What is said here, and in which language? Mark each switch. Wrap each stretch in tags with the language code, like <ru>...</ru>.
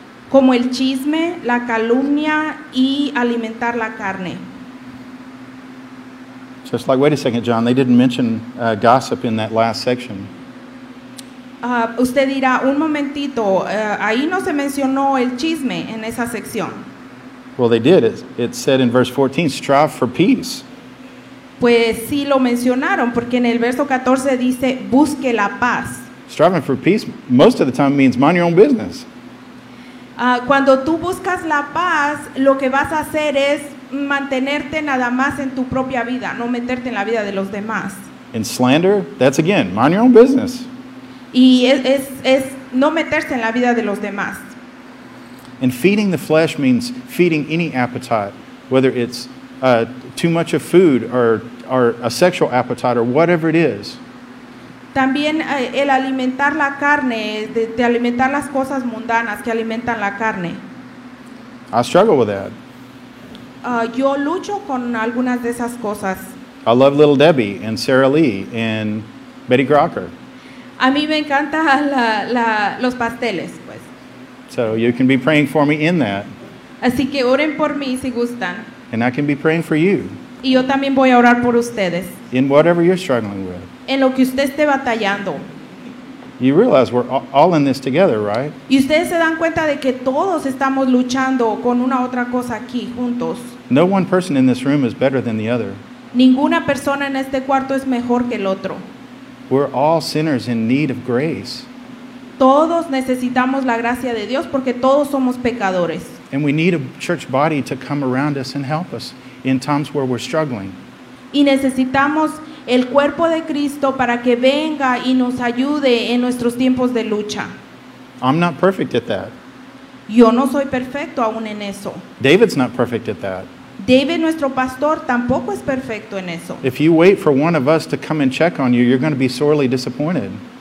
<es>Como el chisme, la calumnia y alimentar la carne.</es> <en>So it's like, wait a second, John, they didn't mention gossip in that last section.</en> <es>Usted dirá, un momentito, ahí no se mencionó el chisme en esa sección.</es> <en>Well, they did. It said in verse 14, strive for peace.</en> <es>Pues sí lo mencionaron, porque en el verso 14 dice, busque la paz.</es> <en>Striving for peace most of the time means mind your own business.</en> <es>Cuando tú buscas la paz, lo que vas a hacer es mantenerte nada más en tu propia vida, no meterte en la vida de los demás.</es> <en>And slander, that's again, mind your own business.</en> <es>Y es no meterse en la vida de los demás.</es> <en>And feeding the flesh means feeding any appetite, whether it's too much of food or a sexual appetite or whatever it is.</en> <es>También el alimentar la carne, de alimentar las cosas mundanas que alimentan la carne.</es> <en>I struggle with that.</en> <es>Yo lucho con algunas de esas cosas.</es> <en>I love Little Debbie and Sara Lee and Betty Crocker.</en> <es>A mí me encanta los pasteles, pues.</es> <en>So you can be praying for me in that.</en> <es>Así que oren por mí si gustan.</es> <en>And I can be praying for you.</en> <es>Y yo también voy a orar por ustedes.</es> <en>In whatever you're struggling with.</en> <es>En lo que usted esté batallando.</es> <en>You realize we're all in this together, right?</en> <es>Y ustedes se dan cuenta de que todos estamos luchando con una otra cosa aquí, juntos.</es> <en>No one person in this room is better than the other.</en> <es>Ninguna persona en este cuarto es mejor que el otro.</es> <en>We're all sinners in need of grace.</en> <es>Todos necesitamos la gracia de Dios porque todos somos pecadores.</es> <en>And we need a church body to come around us and help us in times where we're struggling.</en> <es>Y necesitamos el cuerpo de Cristo para que venga y nos ayude en nuestros tiempos de lucha.</es> <en>I'm not perfect at that.</en> <es>Yo no soy perfecto aún en eso.</es> <en>David's not perfect at that.</en> <es>David, nuestro pastor, tampoco es perfecto en eso.</es> <en>If you wait for one of us to come and check on you, you're going to be sorely disappointed.</en>